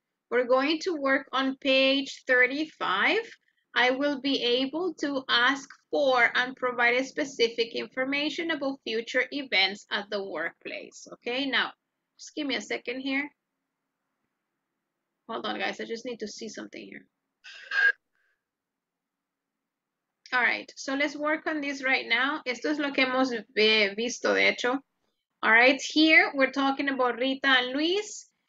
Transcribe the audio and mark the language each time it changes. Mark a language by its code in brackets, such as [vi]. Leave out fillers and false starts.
[en] We're going to work on page 35. I will be able to ask for and provide a specific information about future events at the workplace. Okay, now, just give me a second here. Hold on, guys, I just need to see something here. All right, so let's work on this right now. [es] Esto es lo que hemos visto, de hecho. [en] All right, here we're talking about Rita and Luis.